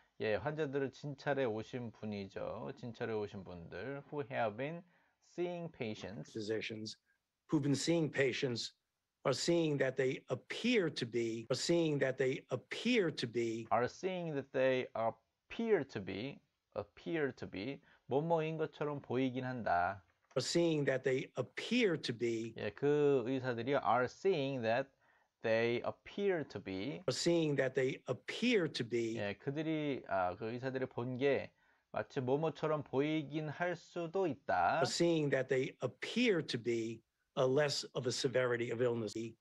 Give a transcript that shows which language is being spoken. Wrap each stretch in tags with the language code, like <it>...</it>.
<ko>예, 환자들을 진찰해 오신 분이죠. 진찰해 오신 분들.</ko> <en>Who have been seeing patients. Physicians who've been seeing patients are seeing that they appear to be</en> <ko>뭐뭐인 것처럼 보이긴 한다.</ko> <en>Are seeing that they appear to be.</en> <ko>예, 그 의사들이</ko> <en>are seeing that They appear to be. Are seeing that they appear to be.</en> <ko>예, 그들이 그 의사들이 본 게 마치 뭐뭐처럼 보이긴 할 수도 있다.</ko> <en>Are seeing that they appear to be a less of a severity of illness.</en>